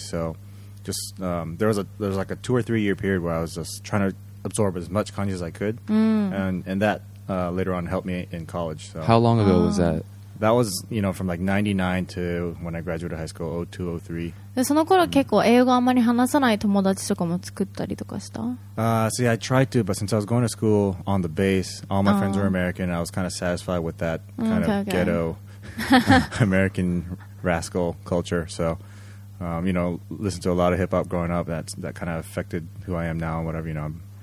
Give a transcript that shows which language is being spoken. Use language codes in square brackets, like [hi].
[en] So just there was like a 2 or 3 year period where I was just trying to absorb as much kanji as I could. And that later on helped me in college. So. How long ago was that? That was, you know, from like 99 to when I graduated high school, 02, 03. [ja] その頃結構英語あんまり話さない友達とかも作ったりとかした? [en] See, I tried to, but since I was going to school on the base, all my friends were American, and I was kind of satisfied with that kind of ghetto American rascal culture. So, you know, listened to a lot of hip-hop growing up. That kind of affected who I am now and whatever, you know.